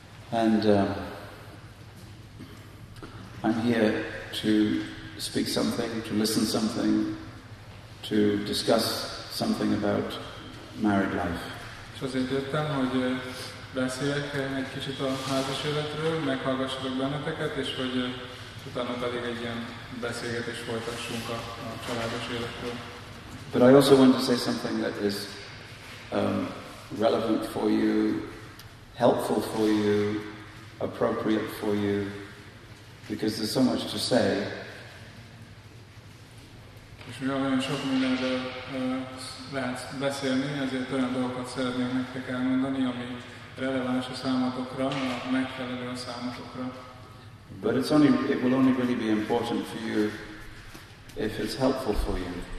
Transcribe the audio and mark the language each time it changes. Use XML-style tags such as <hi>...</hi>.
<en>And I'm here to speak something, to listen something, to discuss something about married life.</en> <hu>És azért jöttem, hogy beszéljek egy kicsit a házas életről, meghallgassatok benneteket, és hogy utána pedig egy ilyen beszélgetést folytassunk a családos életről.</hu> <en>But I also want to say something that is relevant for you, helpful for you, appropriate for you. Because there's so much to say.</en> <hu>És mivel olyan sok mindenről lehet beszélni, ezért olyan dolgokat szeretném nektek elmondani, ami releváns a számotokra, a megfelelő a számotokra.</hu> <en>But it will only really be important for you if it's helpful for you.</en>